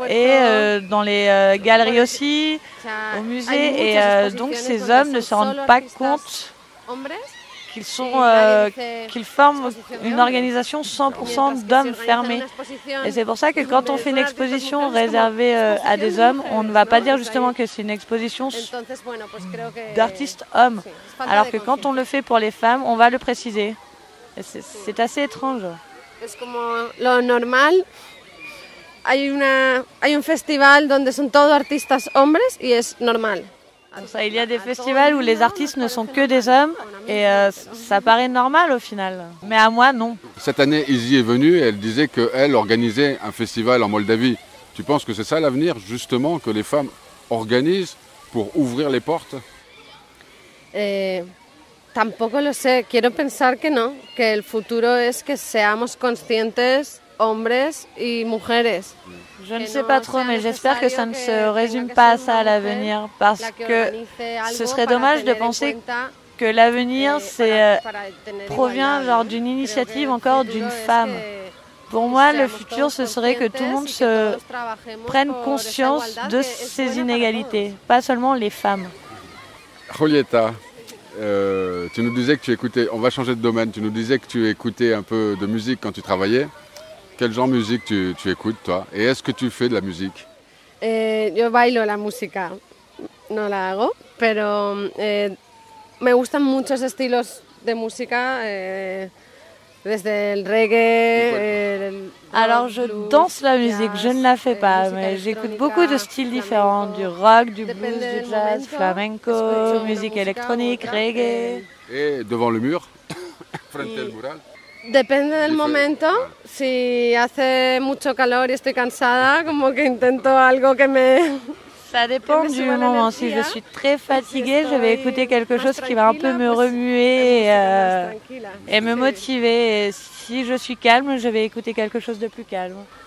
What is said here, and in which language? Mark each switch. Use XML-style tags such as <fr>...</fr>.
<fr>Et dans les galeries aussi, au musée, et donc ces hommes ne se rendent pas compte qu'ils forment une organisation 100% d'hommes fermés. Et c'est pour ça que quand on fait une exposition réservée à des hommes, on ne va pas dire justement que c'est une exposition d'artistes hommes. Alors que quand on le fait pour les femmes, on va le préciser. Et c'est assez étrange. C'est comme</fr> <es>lo normal. Hay un festival donde son todos artistas hombres y es normal.</es> <fr>Ça, il y a des festivals où les artistes ne sont que des hommes et ça paraît normal au final. Mais à moi, non. Cette année, Izzy est venue et elle disait qu'elle organisait un festival en Moldavie. Tu penses que c'est ça l'avenir, justement, que les femmes organisent pour ouvrir les portes?</fr> <es>Tampoco lo sé. Quiero pensar que no. Que el futuro es que seamos conscientes, hombres y mujeres.</es> <fr>Je ne sais pas trop, mais j'espère que ça ne se résume pas à ça à l'avenir, parce que ce serait dommage de penser que l'avenir provient genre d'une initiative encore d'une femme. Pour moi, le futur, ce serait que tout le monde se prenne conscience de ces inégalités, pas seulement les femmes. Julieta, tu nous disais que tu écoutais, on va changer de domaine, tu nous disais que tu écoutais un peu de musique quand tu travaillais. Quel genre de musique tu écoutes, toi? Et est-ce que tu fais de la musique?</fr> <es>Yo bailo la música. No la hago, pero me gustan muchos estilos de música, desde el reggae.</es> <fr>Alors, je danse la musique, jazz, je ne la fais pas, mais j'écoute beaucoup de styles différents, du rock, du blues, du jazz, momento, flamenco, musique électronique, reggae. Et devant le mur,</fr> <es>frente al mural. Depende del momento. Si hace mucho calor y estoy cansada, como que intento algo que me...</es> <fr>Ça dépend du moment. Si je suis très fatiguée, je vais écouter quelque chose qui va un peu me remuer et me motiver. Et si je suis calme, je vais écouter quelque chose de plus calme.</fr>